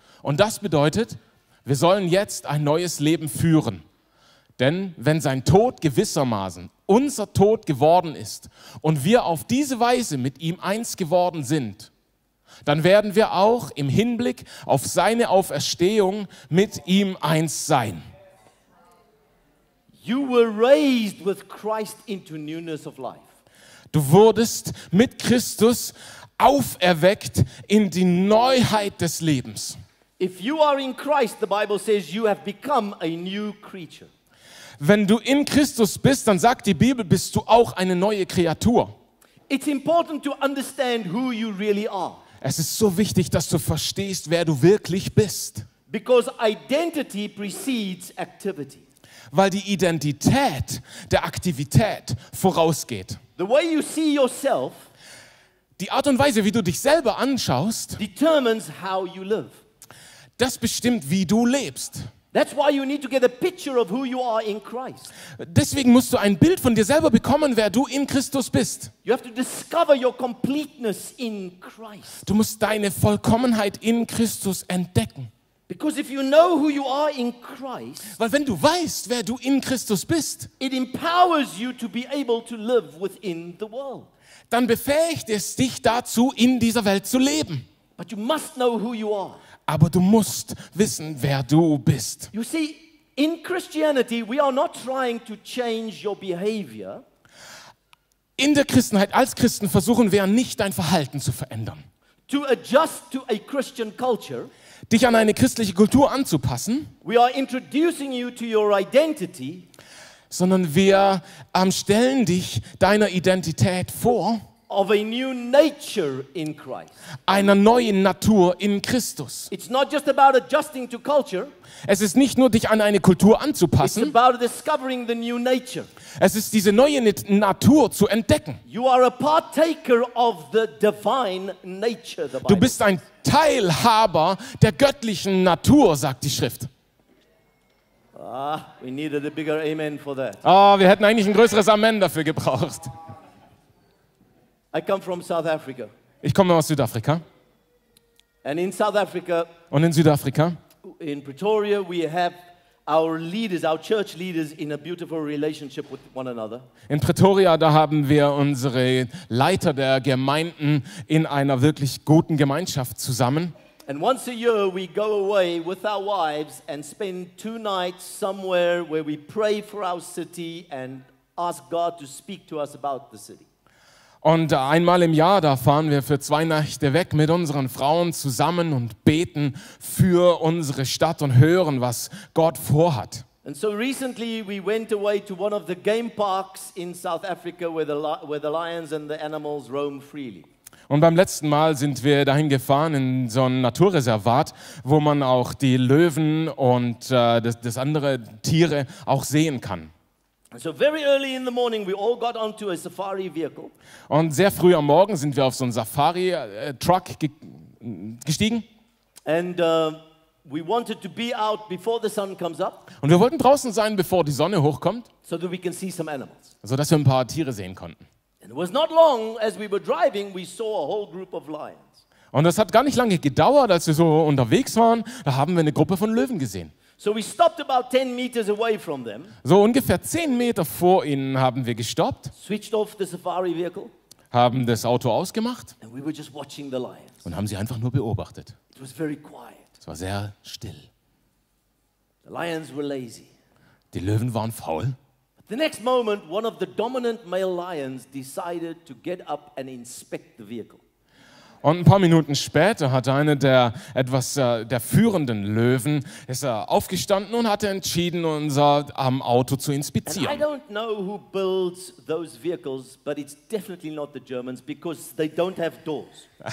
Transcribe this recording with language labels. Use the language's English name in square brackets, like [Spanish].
[German] Und das bedeutet, wir sollen jetzt ein neues Leben führen. Denn wenn sein Tod gewissermaßen unser Tod geworden ist und wir auf diese Weise mit ihm eins geworden sind, dann werden wir auch im Hinblick auf seine Auferstehung mit ihm eins sein. [English] You were raised with Christ into newness of life. [German] Du wurdest mit Christus auferweckt in die Neuheit des Lebens. [English] If you are in Christ, the Bible says you have become a new creature. [German] Wenn du in Christus bist, dann sagt die Bibel, bist du auch eine neue Kreatur. [English] It's important to understand who you really are. [German] Es ist so wichtig, dass du verstehst, wer du wirklich bist. [English] Because identity precedes activity. [German] Weil die Identität der Aktivität vorausgeht. [English] The way you see yourself, [German] die Art und Weise, wie du dich selber anschaust, [English] determines how you live. [German] Das bestimmt, wie du lebst. [English] That's why you need to get a picture of who you are in Christ. [German] Deswegen musst du ein Bild von dir selber bekommen, wer du in Christus bist. [English] You have to discover your completeness in Christ. [German] Du musst deine Vollkommenheit in Christus entdecken. [English] Because if you know who you are in Christ, [German] weil wenn du weißt, wer du in Christus bist, [English] it empowers you to be able to live within the world. [German] Dann befähigt es dich dazu, in dieser Welt zu leben. [English] But you must know who you are. [German] Aber du musst wissen, wer du bist. [English] You see, in Christianity, we are not trying to change your behavior. [German] In der Christenheit, als Christen, versuchen wir nicht, dein Verhalten zu verändern. [English] To adjust to a Christian culture. [German] dich an eine christliche Kultur anzupassen. [English] We are introducing you to your identity. [German] Sondern wir stellen dich deiner Identität vor. [English] Of a new nature in Christ. [German] Einer neuen Natur in Christus. [English] It's not just about adjusting to culture. [German] Es ist nicht nur, dich an eine Kultur anzupassen. [English] It's about discovering the new nature. [German] Es ist, diese neue Natur zu entdecken. [English] You are a partaker of the divine nature, the Bible. [German] Du bist ein Teilhaber der göttlichen Natur, sagt die Schrift. [English] We needed a bigger amen for that. [German] Wir hätten eigentlich ein größeres Amen dafür gebraucht. [English] I come from South Africa. [German] Ich komme aus Südafrika. [English] And in South Africa. [German] Und in Südafrika. [English] In Pretoria, we have our leaders, our church leaders, in a beautiful relationship with one another. [German] In Pretoria, da haben wir unsere Leiter der Gemeinden in einer wirklich guten Gemeinschaft zusammen. [English] And once a year, we go away with our wives and spend two nights somewhere where we pray for our city and ask God to speak to us about the city. [German] Und einmal im Jahr, da fahren wir für zwei Nächte weg mit unseren Frauen zusammen und beten für unsere Stadt und hören, was Gott vorhat. [English] And so recently we went away to one of the game parks in South Africa where the lions and the animals roam freely. [German] Und beim letzten Mal sind wir dahin gefahren in so ein Naturreservat, wo man auch die Löwen und das andere Tiere auch sehen kann. [English] So very early in the morning we all got onto a safari vehicle. [German] Und sehr früh am Morgen sind wir auf so einen Safari Truck gestiegen. [English] And we wanted to be out before the sun comes up. [German] Und wir wollten draußen sein, bevor die Sonne hochkommt. [English] So that we can see some animals. [German] So dass wir ein paar Tiere sehen konnten. [English] And it was not long as we were driving we saw a whole group of lions. [German] Und das hat gar nicht lange gedauert, als wir so unterwegs waren, da haben wir eine Gruppe von Löwen gesehen. [English] So we stopped about 10 meters away from them. [German] So ungefähr 10 Meter vor ihnen haben wir gestoppt. [English] Switched off the safari vehicle. [German] Haben das Auto ausgemacht. [English] And we were just watching the lions. [German] Und haben sie einfach nur beobachtet. [English] It was very quiet. [German] Es war sehr still. [English] The lions were lazy. [German] Die Löwen waren faul. [English] But the next moment one of the dominant male lions decided to get up and inspect the vehicle. [German] Und ein paar Minuten später hat einer der etwas der führenden Löwen ist aufgestanden und hat entschieden, unser Auto zu inspizieren. [English] And I don't know who builds those vehicles, but it's definitely not the Germans because they don't have doors.